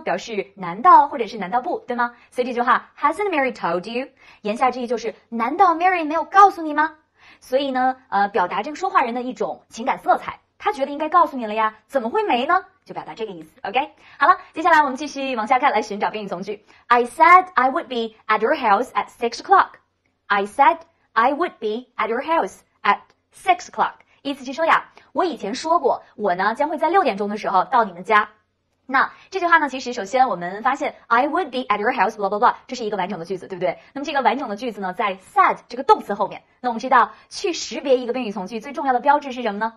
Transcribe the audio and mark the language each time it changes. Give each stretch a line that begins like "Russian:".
Chinese: 表示难道或者是难道不，对吗？所以这句话
English: Hasn't Mary told you，
Chinese: 言下之意就是难道 Mary 没有告诉你吗？所以呢，表达这个说话人的一种情感色彩，他觉得应该告诉你了呀，怎么会没呢？就表达这个意思，OK？ 好了，接下来我们继续往下看，来寻找宾语从句。
English: I said I would be at your house at 6 o'clock. I said I would be at your house at 6 o'clock.
Chinese: 意思是说呀，我以前说过，我呢将会在6点钟的时候到你们家。那这句话呢，其实首先我们发现
English: I would be at your house blah blah
Chinese: blah，这是一个完整的句子，对不对？那么这个完整的句子呢，在 said 这个动词后面。那我们知道，去识别一个宾语从句最重要的标志是什么呢？